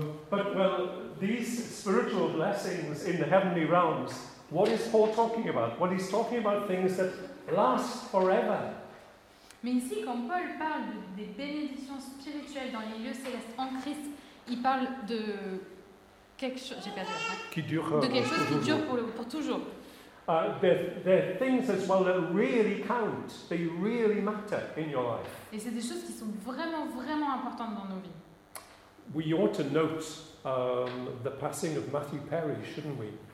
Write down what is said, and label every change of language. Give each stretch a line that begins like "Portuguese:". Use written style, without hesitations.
English: But well, these spiritual blessings in the heavenly realms, what is Paul talking about? Well, he's talking about things that last forever.
French: Mais ici, quand Paul parle des bénédictions spirituelles dans les lieux célestes en Christ, il parle de quelque chose qui dure pour toujours.
English: They're things as well that really count. They really matter in your life.
French: Et c'est des choses qui sont vraiment vraiment importantes dans nos vies.
English: We ought to note the passing of Matthew Perry, shouldn't we?